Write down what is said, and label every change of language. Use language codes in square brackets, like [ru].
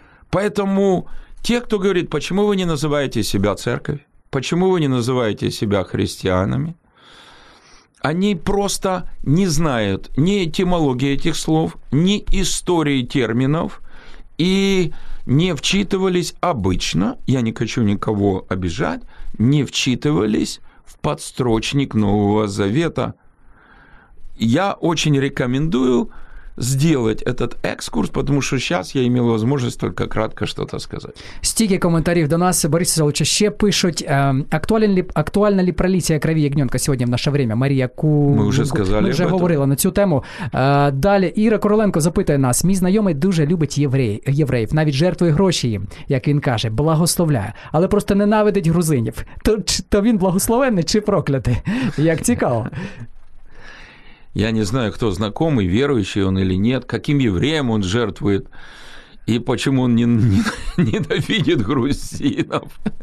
[ru] Поэтому те, кто говорит, почему вы не называете себя церковью, почему вы не называете себя христианами, они просто не знают ни этимологии этих слов, ни истории терминов и не вчитывались обычно, я не хочу никого обижать, не вчитывались в подстрочник Нового Завета. Я очень рекомендую сделать этот экскурс, потому что сейчас я имел возможность только кратко что-то сказать. [uk] Стільки коментарів до нас, Борис Савович, ще пишуть. [ru] Актуальна ли пролиция крови ягненка сегодня в наше время? Мария Мы уже сказали. Мы уже говорили на цю тему. [uk] Далі Іра Короленко запитує нас. Мій знайомий дуже любить євреїв, навіть жертвує гроші їм, як він каже, благословляє, але просто ненавидить грузинів. То він благословенний чи проклятий? Як цікаво. [ru] Я не знаю, кто знакомый, верующий он или нет, каким евреем он жертвует и почему он ненавидит грузинов.